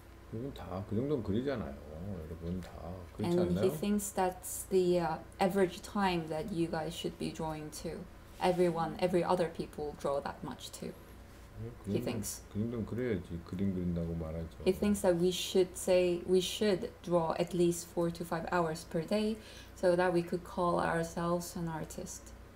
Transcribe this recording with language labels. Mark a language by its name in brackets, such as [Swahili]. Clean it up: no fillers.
[Korean] 그건 다 그 정도는 그리잖아요, 여러분 다 그렇지 [English] And And he thinks that's the average time that you guys should be drawing too. Every other people draw that much too. 그 thinks. [Korean] 그 정도는 그래야지 그림 그린다고 말하죠. [English] He thinks that we should draw at least 4-5 hours per day. So that we could call ourselves an artist.